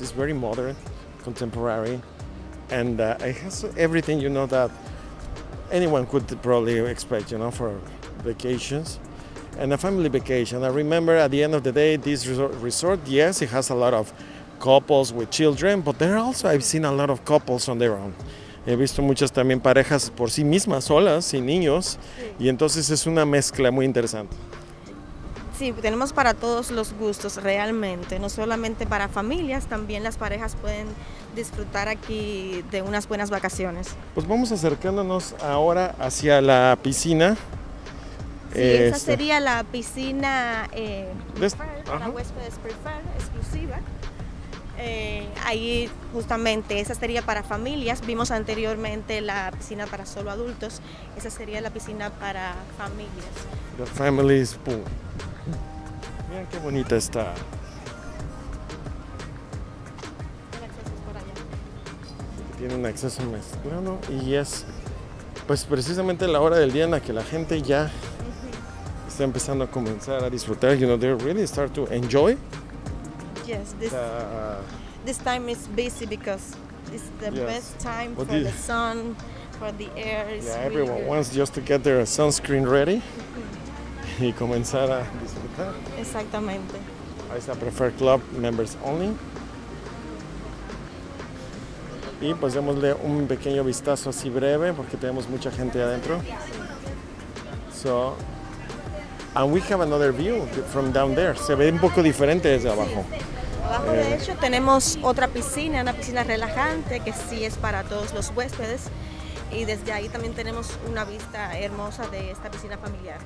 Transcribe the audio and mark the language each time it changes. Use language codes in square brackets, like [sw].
[en] It's very modern, contemporary, and it has everything, you know, that anyone could probably expect, you know, for vacations and a family vacation. I remember at the end of the day, this resort, yes, it has a lot of couples with children, but there also I've seen a lot of couples on their own. [es] He visto muchas también parejas por sí mismas, solas, sin niños, sí. Y entonces es una mezcla muy interesante. Sí, tenemos para todos los gustos realmente, no solamente para familias, también las parejas pueden disfrutar aquí de unas buenas vacaciones. Pues vamos acercándonos ahora hacia la piscina. Sí, esa sería la piscina para huéspedes prefer, exclusiva. Ahí justamente, esa sería para familias. Vimos anteriormente la piscina para solo adultos. Esa sería la piscina para familias. [en] The family's pool. [es] Mira qué bonita está. Tiene un acceso mezclado y es pues precisamente la hora del día en la que la gente ya está empezando a comenzar a disfrutar. [en] You know, they really start to enjoy. Yes, this time is busy because it's the best time for the sun, for the air. Yeah, everyone wants just to get their sunscreen ready [es] y comenzar a disfrutar. Exactamente. Ahí está, [en] prefer club members only. [es] Y pues démosle un pequeño vistazo así breve porque tenemos mucha gente adentro. [en] So, and we have another view from down there. [es] Se ve un poco diferente desde abajo. Abajo de hecho tenemos otra piscina, una piscina relajante que sí es para todos los huéspedes. Y desde ahí también tenemos una vista hermosa de esta piscina familiar.